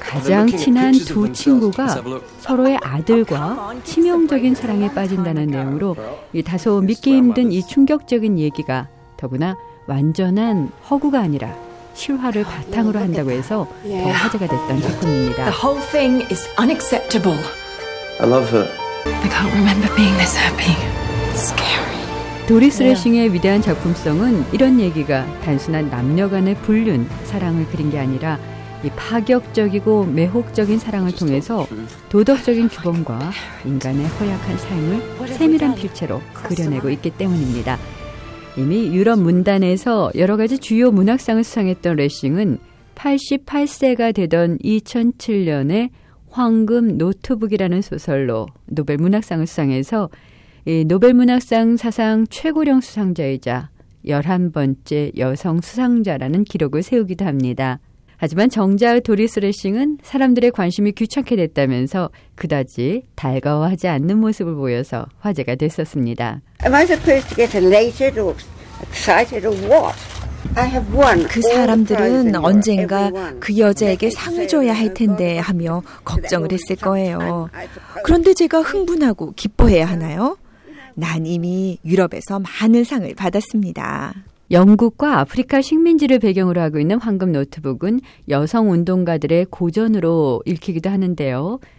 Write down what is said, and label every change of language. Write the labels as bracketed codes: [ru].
[ko] 가장 친한 두 친구가 서로의 아들과 치명적인 사랑에 빠진다는 내용으로 다소 믿기 힘든 이 충격적인 얘기가 더구나 완전한 허구가 아니라 실화를 바탕으로 한다고 해서 더 화제가 됐던 작품입니다. [en] The whole thing is unacceptable. I love her. I can't remember being this happy. It's scary. [ko] 도리스 레싱의 위대한 작품성은 이런 얘기가 단순한 남녀간의 불륜, 사랑을 그린 게 아니라 이 파격적이고 매혹적인 사랑을 통해서 도덕적인 규범과 인간의 허약한 삶을 세밀한 필체로 그려내고 있기 때문입니다. 이미 유럽 문단에서 여러 가지 주요 문학상을 수상했던 레싱은 88세가 되던 2007년에 황금 노트북이라는 소설로 노벨 문학상을 수상해서 이 노벨 문학상 사상 최고령 수상자이자 11번째 여성 수상자라는 기록을 세우기도 합니다. 하지만 정작 도리스 레싱은 사람들의 관심이 귀찮게 됐다면서 그다지 달가워하지 않는 모습을 보여서 화제가 됐었습니다. [en] Am I supposed to get elated or excited or what? [ko] 그 사람들은 언젠가 그 여자에게 상을 줘야 할 텐데 하며 걱정을 했을 거예요. 그런데 제가 흥분하고 기뻐해야 하나요? 난 이미 유럽에서 많은 상을 받았습니다. 영국과 아프리카 식민지를 배경으로 하고 있는 황금 노트북은 여성 운동가들의 고전으로 읽히기도 하는데요.